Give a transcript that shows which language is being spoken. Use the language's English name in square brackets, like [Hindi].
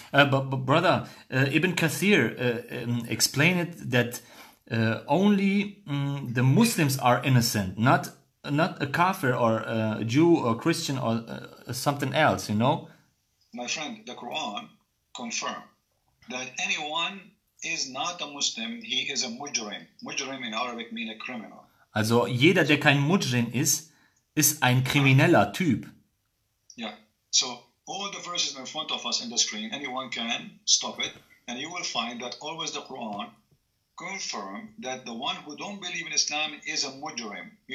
[English] But brother, Ibn Kathir explained it that only the Muslims are innocent, not a kafir or a Jew or Christian or something else, you know? My friend, the Quran confirmed that anyone is not a Muslim, he is a mujrim. Mujrim in Arabic means a criminal. [German] Also jeder, der kein Mujrim ist, ist ein krimineller Typ. [English] So all the verses in front of us in the screen, anyone can stop it, and you will find that always the Quran confirm that the one who don't believe in Islam is a mujrim.